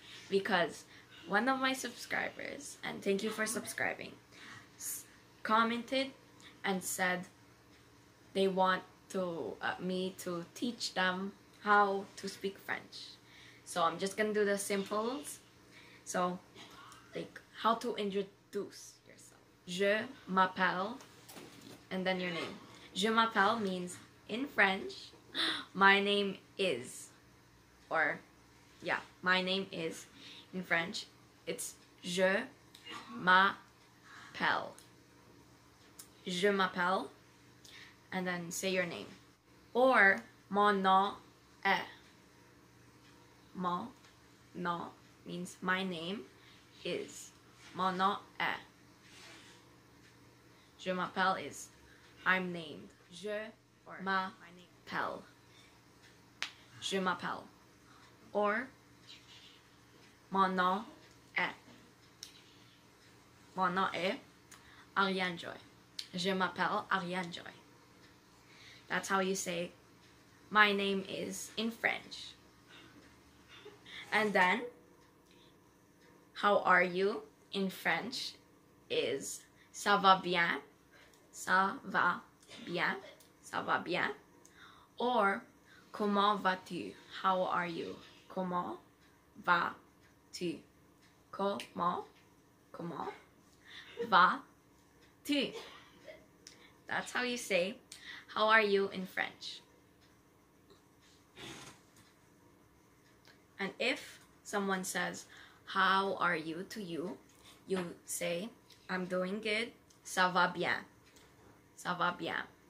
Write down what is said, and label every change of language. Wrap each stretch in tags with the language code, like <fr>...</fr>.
<en>Because one of my subscribers, and thank you for subscribing, commented and said they want to me to teach them how to speak French. So I'm just gonna do the simples. So, like, how to introduce yourself.</en> <fr>Je m'appelle,</fr> <en>and then your name.</en> <fr>Je m'appelle</fr> <en>means, in French, my name is. Or, yeah, my name is. In French, it's</en> <fr>je m'appelle. Je m'appelle,</fr> <en>and then say your name. Or,</en> <fr>mon nom est. Mon nom</fr> <en>means my name is.</en> <fr>Mon nom est. Je m'appelle</fr> <en>is I'm named.</en> <fr>Je</fr> <en>or</en> <fr>m'appelle. Je m'appelle.</fr> <en>Or</en> <fr>mon nom est. Mon nom est Ariane Joy. Je m'appelle Ariane Joy.</fr> <en>That's how you say my name is in French. And then, how are you in French is</en> <fr>ça va bien, ça va bien, ça va bien,</fr> <en>or</en> <fr>comment vas-tu,</fr> <en>how are you,</en> <fr>comment vas-tu, comment vas-tu.</fr> <en>That's how you say how are you in French. And if someone says, how are you to you, you say, I'm doing good,</en> <fr>ça va bien, ça va bien.</fr>